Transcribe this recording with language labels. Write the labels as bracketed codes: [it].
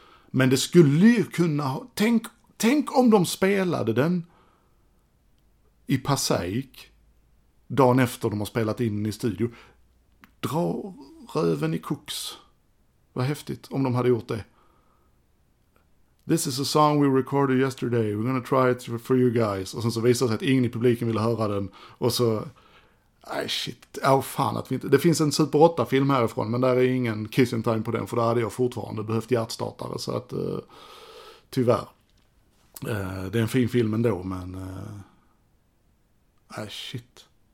[sv] Men det skulle ju kunna ha, tänk om de spelade den i Passaic dagen efter de har spelat in i studio. Dra röven i koks. Vad häftigt om de hade gjort det. [en] This is a song we recorded yesterday. We're gonna try it for you guys. [sv] Och sen så visar sig att ingen i publiken ville höra den. Och så, [en] ay shit. [sv] Åh oh, fan att vi inte, det finns en Super 8 film härifrån, men där är ingen Kissing Time på den, för där hade jag fortfarande behövt hjärtstartare. Så att tyvärr. Det är en fin film ändå, men [en] ah shit.